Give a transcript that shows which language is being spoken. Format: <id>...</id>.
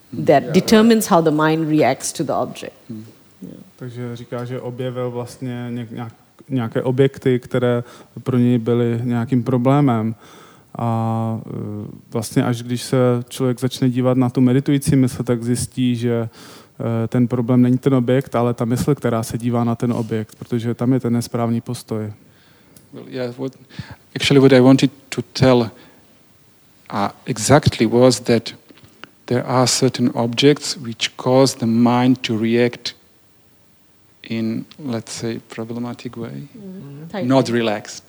<en>That determines how the mind reacts to the object. Hmm. Yeah.</en> <cs>Takže říká, že objevil vlastně nějaké objekty, které pro něj byly nějakým problémem. A vlastně až když se člověk začne dívat na tu meditující mysl, tak zjistí, že ten problém není ten objekt, ale ta mysl, která se dívá na ten objekt, protože tam je ten nesprávný postoj.</cs> <en>Well, yeah, what I wanted to tell exactly was that there are certain objects which cause the mind to react in, let's say, problematic way, mm-hmm. not relaxed.</en>